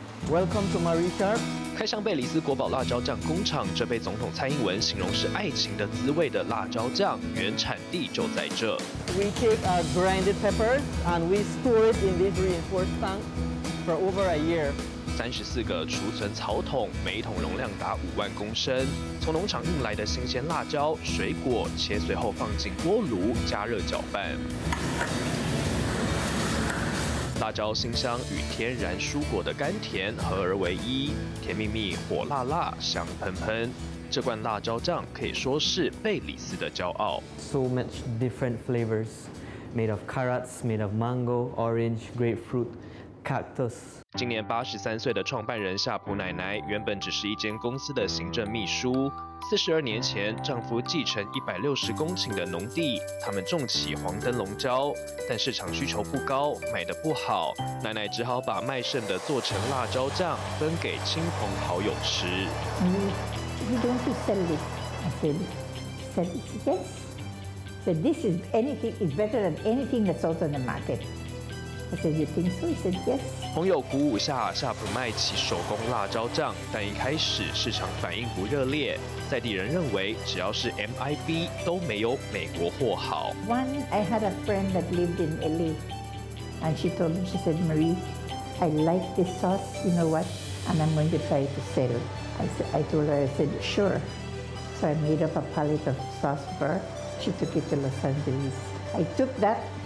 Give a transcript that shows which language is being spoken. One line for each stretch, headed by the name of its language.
English: Welcome to Marie Sharp.
Chinese: 开箱贝里斯国宝辣椒酱工厂，这被总统蔡英文形容是爱情的滋味的辣椒酱，原产地就在这。
English: We take our grinded peppers and we store it in this reinforced tank for over a year.
Chinese: 34个储存槽桶，每一桶容量达50000公升。从农场运来的新鲜辣椒、水果切碎后放进锅炉加热搅拌。辣椒辛香与天然蔬果的甘甜合而为一，甜蜜蜜、火辣辣、香喷喷。这罐辣椒酱可以说是贝里斯的骄傲。
English: So much different flavors, made of carrots, made of mango, orange, grapefruit, cactus.
Chinese: 今年83岁的创办人夏普奶奶，原本只是一间公司的行政秘书。 42年前，丈夫继承160公顷的农地，他们种起黄灯笼椒，但市场需求不高，卖得不好。奶奶只好把卖剩的做成辣椒酱，分给亲朋好友吃。
English: We don't sell it. I said yes. But this is anything is better than anything that's out on the market. I said, you think so? I said, yes.
Chinese: 朋友鼓舞下，夏普卖起手工辣椒酱，但一开始市场反应不热烈。在地人认为，只要是 MIB 都没有美国货好。
English: One, I had a friend that lived in LA, and she told me, she said, Marie, I like this sauce. You know what? And I'm going to try to sell. I told her, sure. So I made up a pallet of sauce for her. She took it to Los Angeles. I took that.